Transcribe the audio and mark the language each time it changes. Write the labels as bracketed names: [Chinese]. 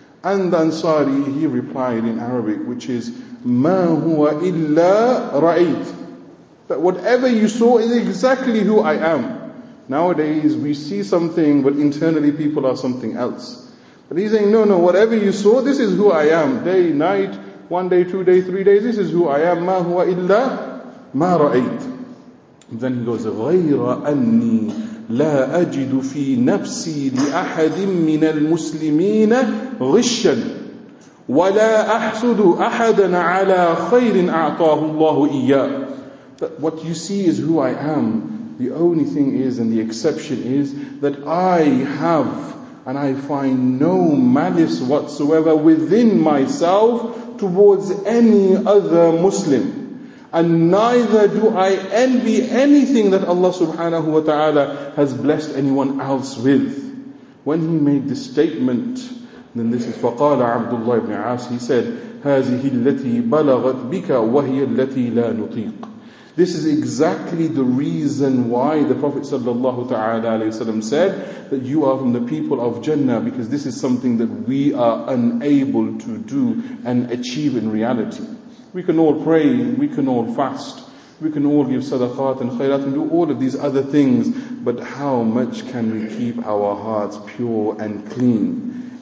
[English] And the Ansari, he replied in Arabic, which is, [Arabic] مَا هُوَ إِلَّا رَأَيْتِ. [English] That whatever you saw is exactly who I am. Nowadays, we see something, but internally people are something else. But he's saying, no, whatever you saw, this is who I am. Day, night, 1 day, 2 day, 3 days, this is who I am. [Arabic] مَا هُوَ إِلَّا مَا رَأَيْتِ. [English] Then he goes, [Arabic] غَيْرَ أَنِّي لَا أَجِدُ فِي نَفْسِي لِأَحَدٍ مِّنَ الْمُسْلِمِينَ غِشًّا وَلَا أَحْسُدُ أَحَدًا عَلَى خَيْرٍ أَعْطَاهُ اللَّهُ إِيَّا. [English] But what you see is who I am. The only thing is, and the exception is, that I have and I find no malice whatsoever within myself towards any other Muslim. And neither do I envy anything that Allah subhanahu wa ta'ala has blessed anyone else with. When he made this statement, then this is [Arabic] فَقَالَ عَبْدُ اللَّهِ بْنِ عَاسِ. [English] He said, [Arabic] هَذِهِ الَّتِي بَلَغَتْ بِكَ وَهِيَ الَّتِي لَا نُطِيقُ. [English] This is exactly the reason why the Prophet sallallahu ta'ala alayhi wa sallam said that you are from the people of Jannah, because this is something that we are unable to do and achieve in reality. We can all pray, we can all fast, we can all give sadaqat and khairat and do all of these other things, but how much can we keep our hearts pure and clean?